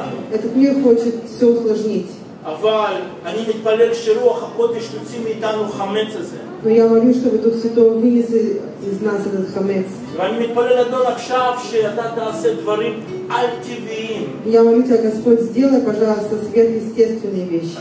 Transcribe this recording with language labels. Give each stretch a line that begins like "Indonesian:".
Russian: Этот мир хочет все усложнить.
Hebrew: אבל אני מתפלל שרוח הקודש תוציא מאיתנו חמץ הזה.
Russian: Но я молю, чтобы Дух Святой вынес из нас этот хамец.
Hebrew: ואני מתפלל אדון עכשיו שאתה תעשה דברים על טבעיים.
Russian: Я молю тебя, Господь, сделай, пожалуйста, сверхъестественные вещи.